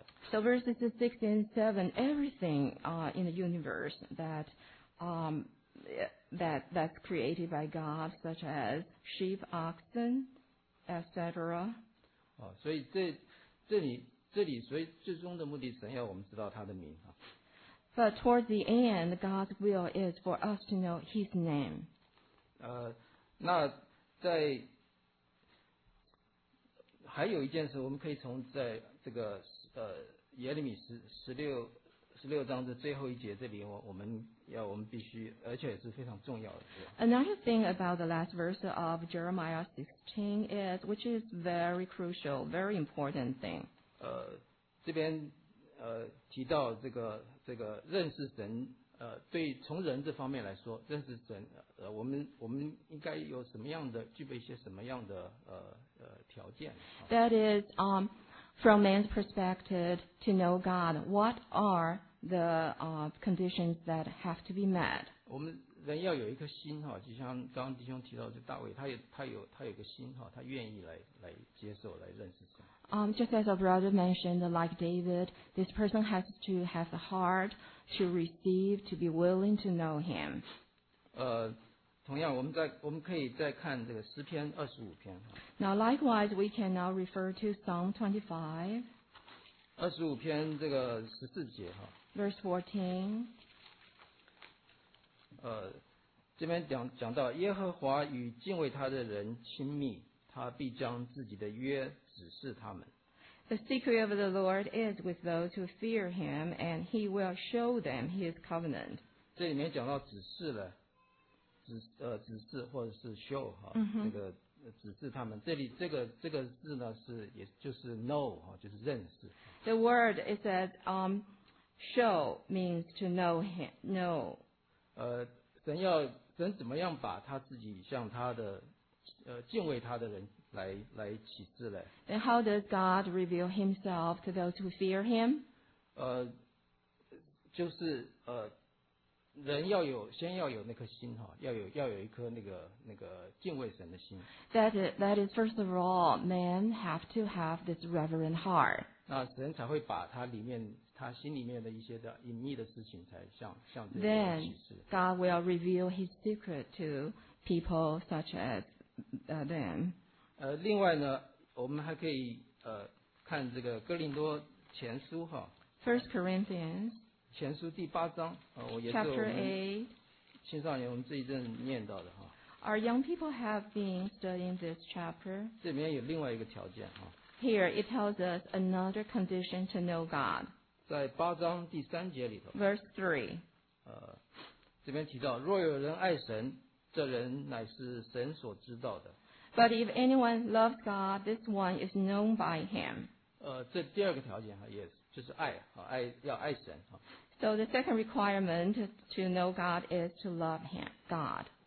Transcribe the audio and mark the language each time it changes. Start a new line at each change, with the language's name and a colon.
English: So verses 6 and 7, everything in the universe that's created by God, such as sheep, oxen, etc.
Chinese: 所以这里所以最终的目的神要我们知道他的名。
English: But towards the end, God's will is for us to know His name.
Chinese: 那在还有一件事，我们可以从在这个耶利米十六章的最后一节这里，我们必须，而且也是非常重要的。
English: Another thing about the last verse of Jeremiah 16 is, which is very crucial, very important thing.
Chinese: 这边提到这个认识神，对从人这方面来说，认识神，我们应该有什么样的具备一些什么样的条件
English: ？That is, from man's perspective, to know God, what are the conditions that have to be met?
Chinese: 我们人要有一颗心哈，就像刚刚弟兄提到，就大卫，他有一个心哈，他愿意来接受来认识神。
English: Just as our brother mentioned, like David, this person has to have the heart to receive, to be willing to know Him.
Chinese: 同样我们在我们可以再看这个诗篇二十五篇。
English: Now likewise, we can now refer to Psalm 25.
Chinese: 二十五篇这个十四节哈。
English: Verse 14.
Chinese: 这边讲到耶和华与敬畏他的人亲密，他必将自己的约指示他们。
English: The secret of the Lord is with those who fear him, and he will show them his covenant.
Chinese: 这里面讲到指示了。指示或者是 show 哈，那个指示他们。这里这个字呢是也就是 know 哈，就是认识。
English: The word it says show means to know him, know.
Chinese: 神怎么样把他自己向他的敬畏他的人来启示嘞
English: ？And how does God reveal Himself to those who fear Him？
Chinese: 就是人要有先要有那颗心哈，要有一颗那个敬畏神的心。
English: That is first of all, man have to have this reverent heart.
Chinese: 那神才会把他里面他心里面的一些的隐秘的事情才向这个启示。
English: Then God will reveal His secret to people such as them.
Chinese: 另外呢，我们还可以看这个哥林多前书哈。
English: First Corinthians.
Chinese: 前书第八章，也是我们青少年我们这一阵念到的哈。
English: Our young people have been studying this chapter.
Chinese: 这里面有另外一个条件哈。
English: Here it tells us another condition to know God.
Chinese: 在八章第三节里头。
English: Verse 3.
Chinese: 这边提到，若有人爱神，这人乃是神所知道的。
English: But if anyone loves God, this one is known by Him.
Chinese: 这第二个条件哈，也是。就是爱，爱要爱神。
English: So the second requirement to know God is to love Him, God.